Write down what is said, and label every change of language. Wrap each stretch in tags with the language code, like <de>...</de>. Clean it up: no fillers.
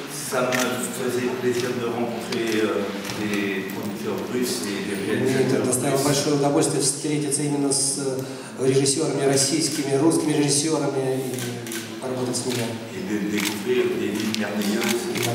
<fr>Ça me faisait plaisir de rencontrer les producteurs russes et les réalisateurs.</fr> <ru>Это доставило большое удовольствие встретиться именно с режиссерами российскими, русскими режиссерами и поработать с ними.</ru> <fr>Et de découvrir des villes merveilleuses.</fr>